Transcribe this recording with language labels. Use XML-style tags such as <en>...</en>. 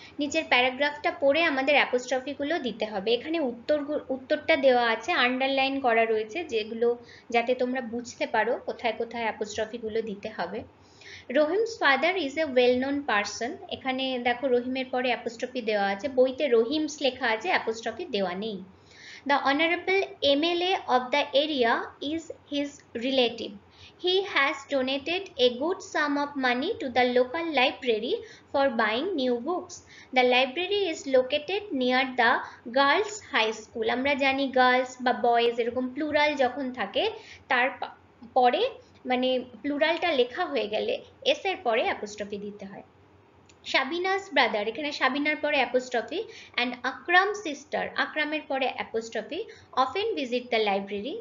<bn>নিচের প্যারাগ্রাফটা পড়ে আমাদের অ্যাপোস্ট্রফিগুলো দিতে হবে। এখানে উত্তরটা দেওয়া আছে, আন্ডারলাইন করা রয়েছে যেগুলো, যাতে তোমরা বুঝতে পারো কোথায় কোথায় অ্যাপোস্ট্রফিগুলো দিতে হবে।</bn> <en>Rahim's father is a well known person.</en> <bn>এখানে দেখো রহিমের পরে অ্যাপোস্ট্রফি দেওয়া আছে, বইতে রহিমস লেখা আছে, অ্যাপোস্ট্রফি দেওয়া নেই।</bn> <en>The honourable MLA of the area is his relative. He has donated a good sum of money to the local library for buying new books. The library is located near the girls' high school.</en> <bn>আমরা জানি girls বা boys এরকম plural যখন থাকে তার পরে, মানে pluralটা লেখা হয়ে গেলে s এর পরে apostrophe দিতে হয়।</bn> <en>Shabina's brother,</en> <bn>এখানে শাবিনার পরে অ্যাপোস্ট্রফি,</bn> <en>and Akram sister,</en> <bn>আকরামের পরে apostrophe,</bn> <en>Often visit the library.</en>